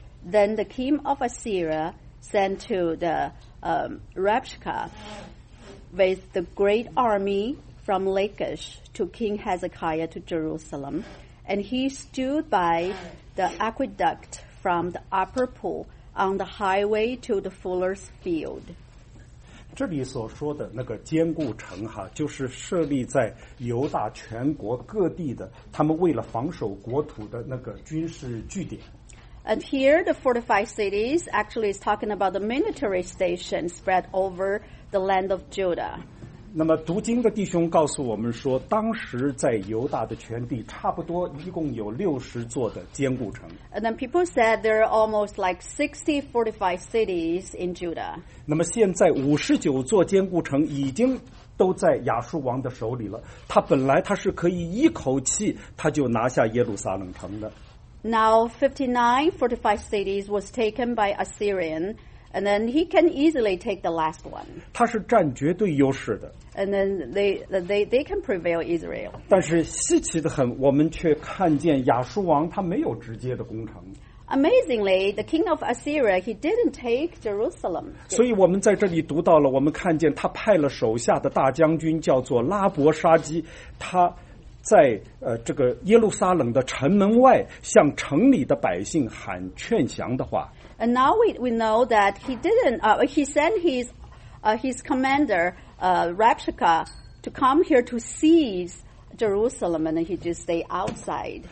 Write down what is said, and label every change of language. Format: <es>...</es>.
<en>Then the king of Assyria sent to the Rabshakeh with the great army from Lachish to King Hezekiah to Jerusalem. And he stood by the aqueduct from the upper pool on the highway to the fuller's field.</en> <zh>这里所说的那个坚固城哈，就是设立在犹大全国各地的，他们为了防守国土的那个军事据点。</zh> <en>And here the fortified cities actually is talking about the military station spread over the land of Judah.</en> <zh>那么读经的弟兄告诉我们说，当时在犹大的全地差不多一共有60座的坚固城。</zh> <en>And then people said there are almost like 60 fortified cities in Judah.</en> <zh>那么现在59座坚固城已经都在亚述王的手里了，他本来他是可以一口气他就拿下耶路撒冷城的。</zh> <en>Now 59 fortified cities was taken by Assyrian, And then he can easily take the last one.</en> <zh>他是占绝对优势的。</zh> <en>And then they can prevail Israel.</en> <zh>但是稀奇的很，我们却看见亚述王他没有直接的攻城。</zh> <en>Amazingly, the king of Assyria, he didn't take Jerusalem.</en> <zh>所以我们在这里读到了，我们看见他派了手下的大将军叫做拉伯沙基，他在这个耶路撒冷的城门外向城里的百姓喊劝降的话。</zh> <en>And now we know that he didn't. He sent his commander, Rabshakeh, to come here to seize Jerusalem, and he just stay outside.</en>